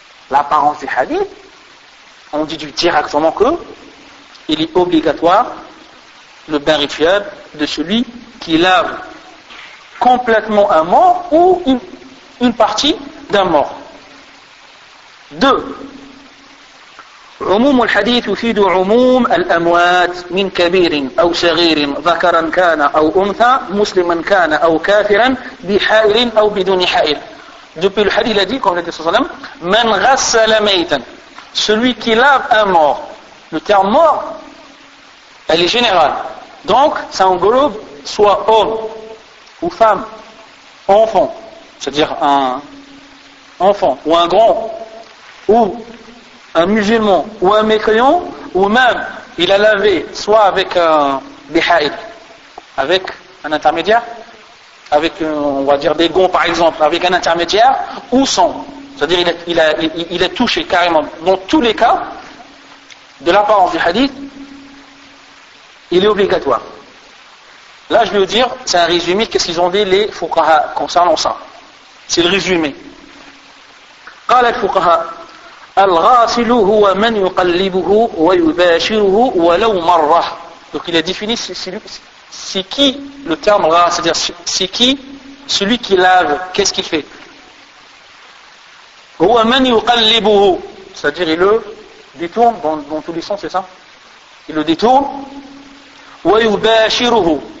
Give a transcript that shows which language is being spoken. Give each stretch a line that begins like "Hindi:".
French: L'apparence du hadith, on dit directement que il est obligatoire le bain rituel de celui qui lave complètement un mort ou une partie d'un mort. 2.
Arabic: عموم الحديث يفيد عموم الأموات من كبير أو صغير ذكرا كان أو أنثى مسلما كان أو كافرا بحائل أو بدون حائل.
French: Depuis le hadith, il a dit, comme le dit sallam,
Arabic: من غسل ميتا,
French: celui qui lave un mort. Le terme mort, elle est générale. Donc, ça englobe soit homme ou femme, enfant, c'est-à-dire un enfant ou un grand, ou un musulman ou un mécréant, ou même il a lavé soit avec un bihaïd, avec un intermédiaire, avec on va dire des gonds par exemple, avec un intermédiaire, ou sans. C'est-à-dire il a touché carrément. Dans tous les cas, de l'apparence du hadith, il est obligatoire. Là, je vais vous dire, c'est un résumé, qu'est-ce qu'ils ont dit les fuqaha concernant ça. C'est le résumé.
Arabic: قال الفقهاء الغاسل هو من يقلبه ويباشره ولو مرة.
French: Donc il a défini c'est qui le terme ghas, c'est-à-dire c'est qui celui qui lave, qu'est-ce qu'il fait?
Arabic: huwa man yuqallibuhu.
French: C'est-à-dire, il le détourne dans tous les sens, c'est ça? Il le détourne.
Arabic: Wa yubashiruhu.